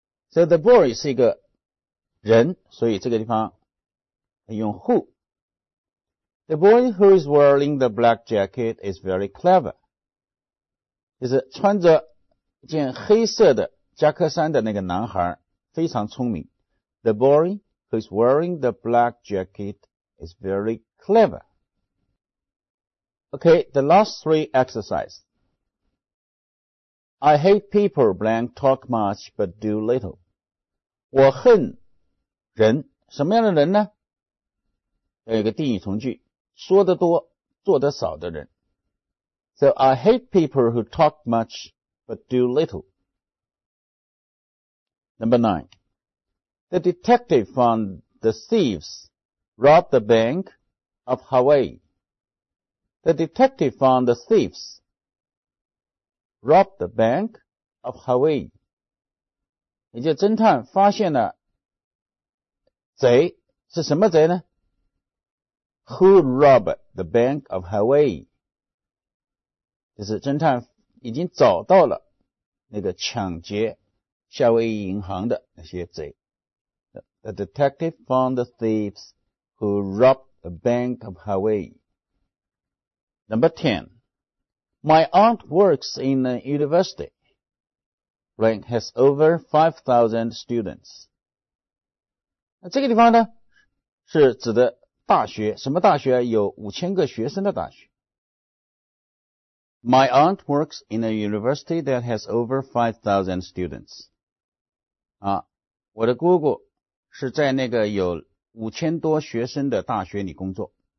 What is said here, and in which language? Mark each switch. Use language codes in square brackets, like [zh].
[en] So the boy [zh] 是一个人，所以这个地方用 who。 [en] The boy who is wearing the black jacket is very clever。 [zh] 就是穿着一件黑色的夹克衫的那个男孩非常聪明。 The boy who is wearing the black jacket is very clever。 [en] Okay, the last three exercises。 I hate people blank talk much but do little。 [zh] 我恨人，什么样的人呢？有一个定语从句，说得多做得少的人。 [en] So I hate people who talk much but do little。 Number 9。 The detective found the thieves robbed the bank of Hawaii。 The detective found the thieves robbed the bank of Hawaii。 [zh] 也就侦探发现了贼，是什么贼呢？ [en] Who robbed the bank of Hawaii? [zh] 就是侦探已经找到了那个抢劫夏威夷银行的那些贼。 [en] The detective found the thieves who robbed the bank of Hawaii。 Number 10. My aunt works in a university. Blank has over 5,000 students. [zh] 那这个地方呢是指的大学，什么大学？有5000个学生的大学。 [en] My aunt works in a university that has over 5,000 students. [zh] 啊，我的姑姑是在那个有5000多学生的大学里工作。